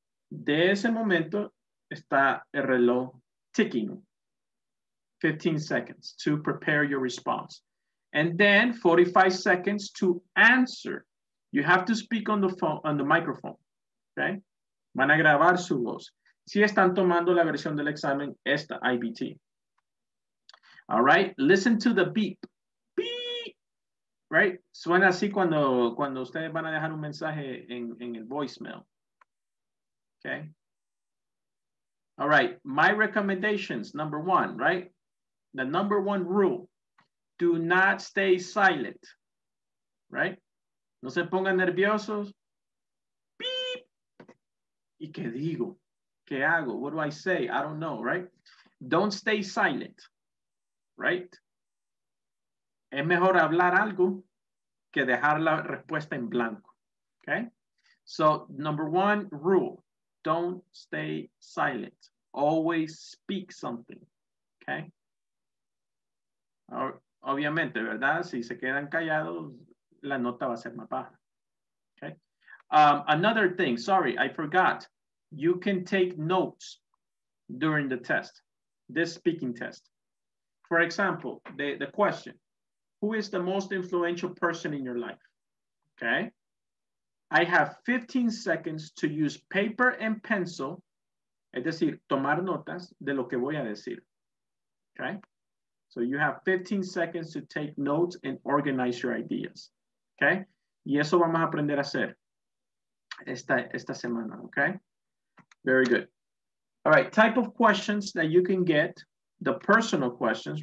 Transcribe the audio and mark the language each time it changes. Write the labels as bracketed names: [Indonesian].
[Spanish] De ese momento está el reloj ticking. [English] 15 seconds to prepare your response. And then 45 seconds to answer. You have to speak on the phone, on the microphone. [Spanish] Okay? Van a grabar su voz. Si están tomando la versión del examen, esta IBT. [English] All right? Listen to the beep. Right? [Spanish] Suena así cuando ustedes van a dejar un mensaje en el voicemail. [English] Okay? All right. My recommendations, number one, right? The number one rule, do not stay silent. Right? [Spanish] No se pongan nerviosos. Beep! ¿Y qué digo? ¿Qué hago? [English] What do I say? I don't know, right? Don't stay silent. Right? [Spanish] Es mejor hablar algo que dejar la respuesta en blanco, okay? [English] So, number one rule, don't stay silent. Always speak something, okay? [Spanish] Obviamente, ¿verdad? Si se quedan callados, la nota va a ser más baja, okay? [English] Another thing, sorry, I forgot. You can take notes during the test, this speaking test. For example, the question, who is the most influential person in your life? Okay. I have 15 seconds to use paper and pencil, [Spanish] es decir, tomar notas de lo que voy a decir. [English] Okay? So you have 15 seconds to take notes and organize your ideas. Okay? [Spanish] Y eso vamos a aprender a hacer esta semana, okay? [English] Very good. All right, type of questions that you can get, the personal questions.